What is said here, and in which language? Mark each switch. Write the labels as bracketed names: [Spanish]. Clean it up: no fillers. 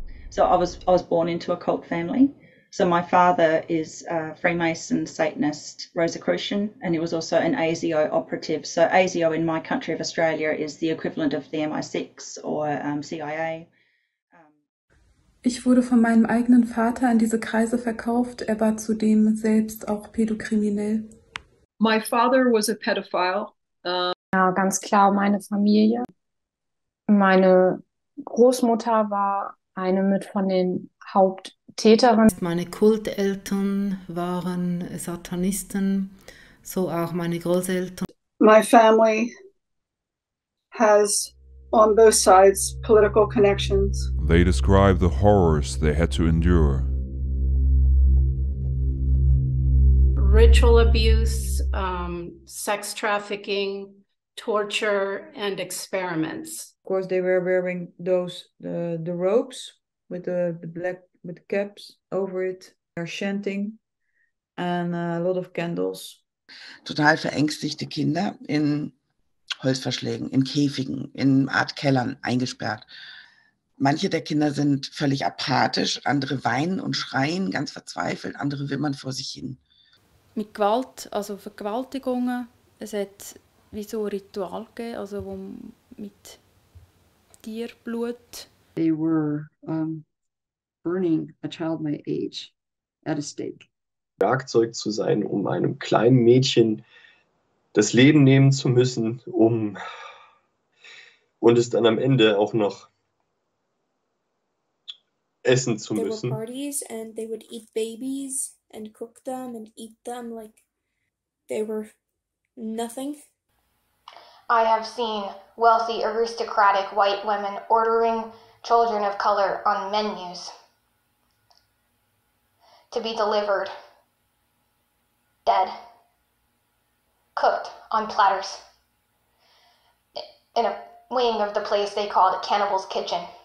[English] So I was born into a cult family. So my father is a Freemason, Satanist, Rosicrucian, and he was also an ASIO operative. So ASIO in my country of Australia is the equivalent of the MI6 or CIA. [German] Ich wurde von meinem eigenen Vater in diese Kreise verkauft. Er war zudem selbst auch pädokriminell. [English] My father was a pedophile. [German] Ja, ganz klar, meine Familie. Meine Großmutter war eine mit von den Haupttäterinnen. Meine Kulteltern waren Satanisten, so auch meine Großeltern. [English] My family has on both sides political connections. They describe the horrors they had to endure. Ritual abuse, sex trafficking, torture, and experiments. Of course, they were wearing those the ropes with the black with the caps over it. They're chanting, and a lot of candles. [German] Total verängstigte Kinder in Holzverschlägen, in Käfigen, in Art Kellern eingesperrt. Manche der Kinder sind völlig apathisch, andere weinen und schreien ganz verzweifelt, andere wimmern vor sich hin. Mit Gewalt, also Vergewaltigungen, es hat wie so ein Ritual gegeben, also wo mit Tierblut. [English] They were burning a child my age at a stake. [German] Werkzeug zu sein, um einem kleinen Mädchen das Leben nehmen zu müssen, um und es dann am Ende auch noch essen zu müssen. [English] There were parties and they would eat babies and cook them and eat them like they were nothing. I have seen wealthy aristocratic white women ordering children of color on menus to be delivered dead, cooked on platters in a wing of the place they called Cannibal's Kitchen.